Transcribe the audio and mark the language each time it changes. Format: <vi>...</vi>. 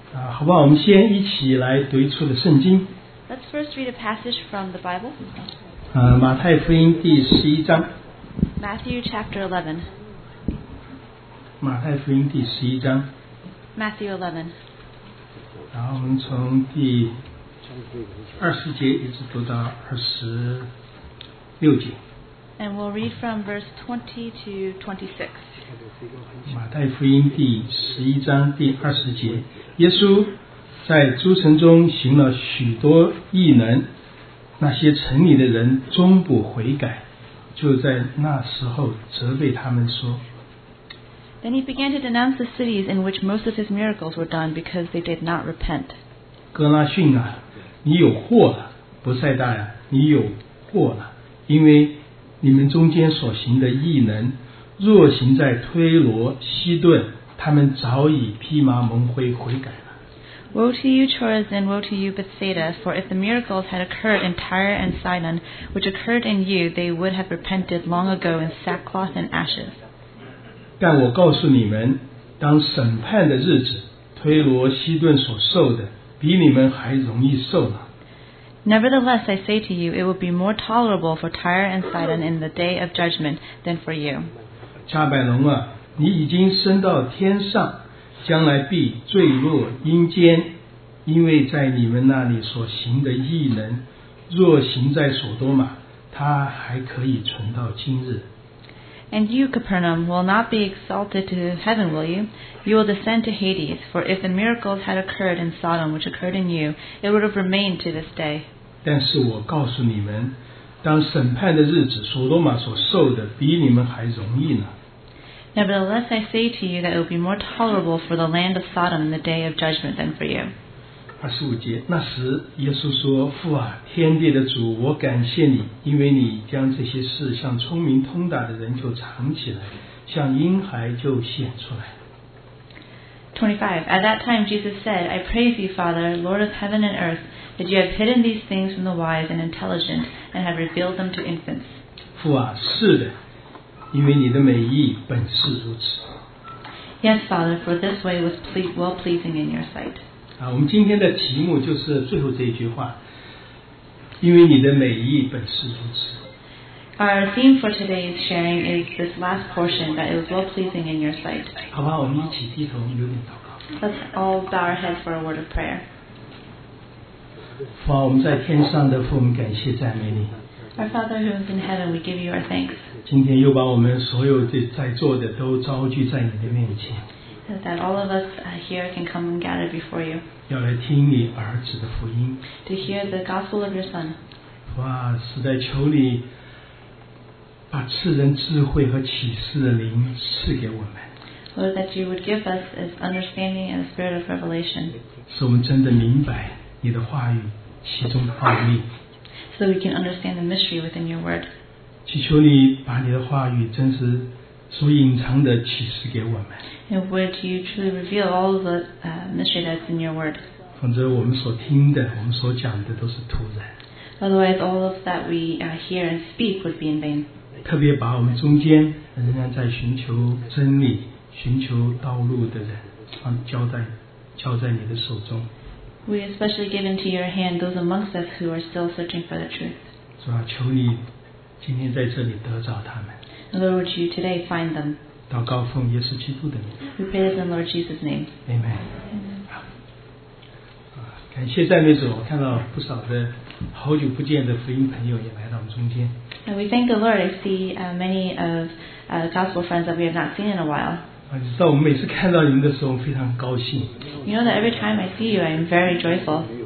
<zh>好吧，我们先一起来读一处的圣经。</zh> <en>Let's first read a passage from the Bible.</en> <zh>马太福音第十一章。</zh> <en>Matthew chapter 11.</en> <zh>马太福音第十一章。</zh> <en>Matthew 11.</en> <zh>然后我们从第二十节一直读到二十六节。</zh> <en>And we'll read from verse 20 to 26.</en> <zh>马太福音第十一章第二十节，耶稣在诸城中行了许多异能，那些城里的人终不悔改，就在那时候责备他们说。</zh> <en>Then he began to denounce the cities in which most of his miracles were done because they did not repent.</en> <zh>哥拉逊啊，你有祸了，伯赛大呀，你有祸了，因为你们中间所行的异能，若行在推罗、西顿，他们早已披麻蒙灰悔改了。</zh> <en>Woe to you, Chorazin! Woe to you, Bethsaida! For if the miracles had occurred in Tyre and Sidon, which occurred in you, they would have repented long ago in sackcloth and ashes.</en> <zh>但我告诉你们，当审判的日子，推罗、西顿所受的，比你们还容易受了。</zh> <en>Nevertheless, I say to you, it will be more tolerable for Tyre and Sidon in the day of judgment than for you.</en> <zh>加百农啊，你已经升到天上，将来必坠落阴间，因为在你们那里所行的异能，若行在索多玛，它还可以存到今日。</zh> <en>And you, Capernaum, will not be exalted to heaven, will you? You will descend to Hades, for if the miracles had occurred in Sodom, which occurred in you, it would have remained to this day.</en> <zh>但是我告诉你们，当审判的日子，索多玛所受的比你们还容易呢。</zh> <en>Nevertheless, I say to you that it will be more tolerable for the land of Sodom in the day of judgment than for you.</en> <zh>二十五节，那时耶稣说，父啊，天地的主，我感谢你，因为你将这些事向聪明通达的人就藏起来，向婴孩就显出来。</zh> <en>25. At that time Jesus said, I praise you, Father, Lord of heaven and earth, that you have hidden these things from the wise and intelligent and have revealed them to infants.</en> <zh>父啊，是的，因为你的美意本是如此。</zh> <en>Yes, Father, for this way was well-pleasing in your sight.</en> <zh>我们今天的题目就是最后这一句话，因为你的美意本是如此。</zh> <en>Our theme for today's sharing is this last portion, that it was well-pleasing in your sight.</en> <zh>好吧，我们一起低头留点祷告。</zh> <en>Let's all bow our heads for a word of prayer.</en> <zh>父啊，我们在天上的父，我们感谢赞美你。</zh> <en>Our Father who is in heaven, we give you our thanks.</en> <zh>今天又把我们所有在座的都召聚在你的面前。</zh> <en>That all of us here can come and gather before you.</en> <zh>要来听你儿子的福音。</zh> <en>To hear the gospel of your son.</en> <zh>父啊，实在求你把赐人智慧和启示的灵赐给我们。</zh> <en>Lord, that you would give us this understanding and a spirit of revelation.</en> <zh>使我们真的明白你的话语其中的奥秘。</zh> <en>So we can understand the mystery within your word.</en> <zh>祈求你把你的话语真实所隐藏的启示给我们。</zh> <en>And would you truly reveal all of the mystery that's in your word?</en> <zh>否则我们所听的，我们所讲的都是徒然。</zh> <en>Otherwise, all of that we hear and speak would be in vain.</en> <zh>特别把我们中间仍然在寻求真理、寻求道路的人，交在你的手中。</zh> <en>We especially give into your hand those amongst us who are still searching for the truth.</en> <zh>主啊，求你今天在这里得着他们。</zh> <en>Lord, would you today find them?</en> <zh>祷告奉耶稣基督的名。</zh> <en>We pray this in Lord Jesus' name. Amen. Amen.</en> <zh>感谢赞美主，我看到不少的好久不见的福音朋友也来到我们中间。</zh> <en>And we thank the Lord. I see many of gospel friends that we have not seen in a while.</en> <zh>你知道我们每次看到你们的时候，非常高兴。</zh> <en>You know that every time I see you, I'm very joyful.</en>